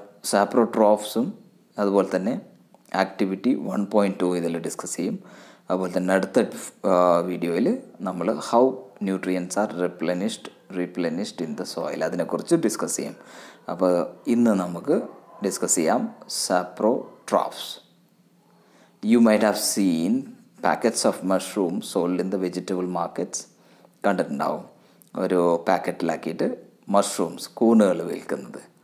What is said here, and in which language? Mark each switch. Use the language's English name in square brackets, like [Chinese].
[Malayalam] സാപ്രോട്രോഫ്സും അതുപോലെ തന്നെ ആക്ടിവിറ്റി 1.2 ഇതിൽ ഡിസ്കസ് ചെയ്യും. അതുപോലെ തന്നെ അടുത്ത വീഡിയോയിൽ നമ്മൾ [English] how nutrients are replenished in the soil [Malayalam] അതിനെക്കുറിച്ച് ഡിസ്കസ് ചെയ്യും. അപ്പോൾ ഇന്ന് നമുക്ക് ഡിസ്കസ് ചെയ്യാം സാപ്രോട്രോഫ്സ്. [English] You might have seen packets of mushroom sold in the vegetable markets. [Malayalam] കണ്ടിട്ടുണ്ടാവും ഒരു പാക്കറ്റിലാക്കിയിട്ട് മഷ്റൂംസ് കൂണുകൾ വിൽക്കുന്നത്.